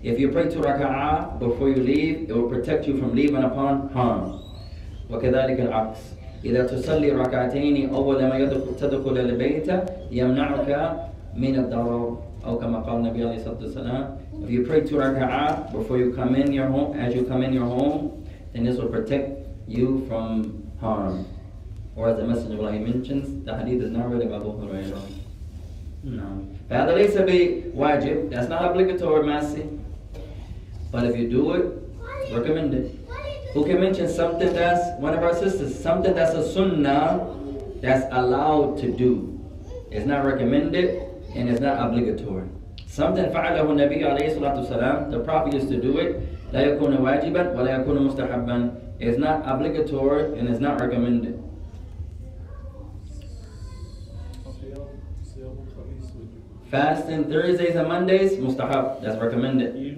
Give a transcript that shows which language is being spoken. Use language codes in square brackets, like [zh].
[en] If you pray two raka'ah before you leave, it will protect you from leaving upon harm. [ar] وَكَذَلِكَ الْعَقْسِ إِذَا تُصَلِّ رَكَعَتَيْنِ أَوَّلَ مَا تَدْخُلَ الْبَيْتَ يَمْنَعُكَ مِنَ الضَّرَرِ أو كما قال النبي عليه الصلاة والسلام. [en] If you pray two raka'ah before you come in your home, as you come in your home, then this will protect you from harm. Or as the Messenger of Allah mentions, the hadith is narrated by Abu Hurairah. No. [ar] فَهَذَا لَيْسَ بِوَاجِبْ. [en] That's not obligatory, Masih. But if you do it, recommend it. Who can mention something that's, one of our sisters, something that's a sunnah that's allowed to do? It's not recommended and it's not obligatory. [ar] Something فَعَلَهُ النَّبِيُّ عَلَيْهِ الصَّلَاةُ وَالسَّلَامُ. [en] The Prophet used to do it. [ar] لَا يَكُونَ وَاجِبًا وَلَا يَكُونَ مُسْتَحَبًا. [en] It's not obligatory and it's not recommended. Fasting Thursdays and Mondays, mustahab, that's recommended.